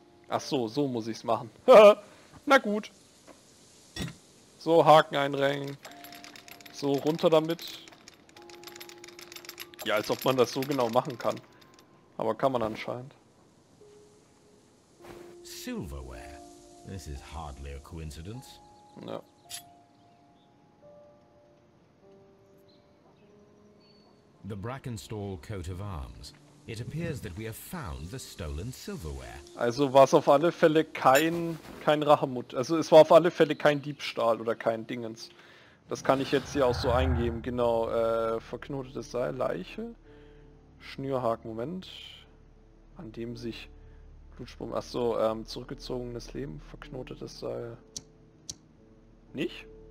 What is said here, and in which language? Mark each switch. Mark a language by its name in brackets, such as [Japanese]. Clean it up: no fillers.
[German] Ach so, so muss ich es machen. Na gut. So, Haken einrängen. So, runter damit. Ja, als ob man das so genau machen kann. Aber kann man anscheinend. [English] Silverware. This is hardly a coincidence. [German] Ja. [English] the Brackenstall coat of arms. It appears that we have found the stolen silverware. [German] Also war es auf alle Fälle kein Rahamut. Also es war auf alle Fälle kein Diebstahl oder kein Dingens. Das kann ich jetzt hier auch so eingeben. Genau, verknotetes Seil, Leiche, Schnürhaken, Moment, an dem sich Blutspuren, achso, zurückgezogenes Leben, verknotetes Seil, nicht?